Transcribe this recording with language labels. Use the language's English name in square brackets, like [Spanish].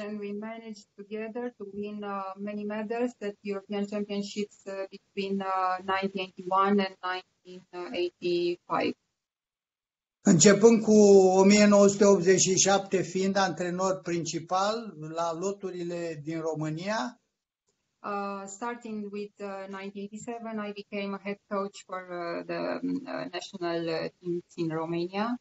[English] And we managed together to win many medals at European Championships between 1981 and 1985. [Romanian] Începând cu 1987 fiind antrenor principal la loturile din România. [English] Starting with 1987, I became a head coach for the national teams in Romania.